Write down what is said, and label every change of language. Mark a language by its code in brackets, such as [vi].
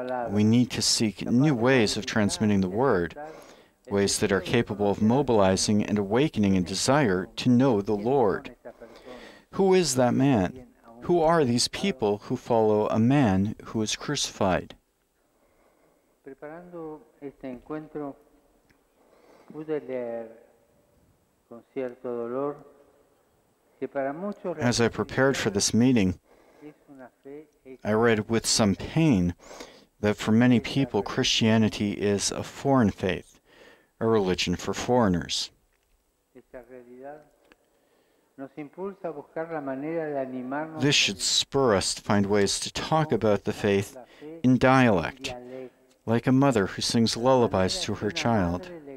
[en] We need to seek new ways of transmitting the word, ways that are capable of mobilizing and awakening a desire to know the Lord. Who is that man? Who are these people who follow a man who is crucified? [es] Preparando este encuentro, pude leer con cierto dolor que para muchos. [en] As I prepared for this meeting, I read with some pain that for many people Christianity is a foreign faith, a religion for foreigners. [es] Esta realidad nos impulsa a buscar la manera de animarnos. [en] This should spur us to find ways to talk about the faith in dialect, like a mother who sings lullabies to her child.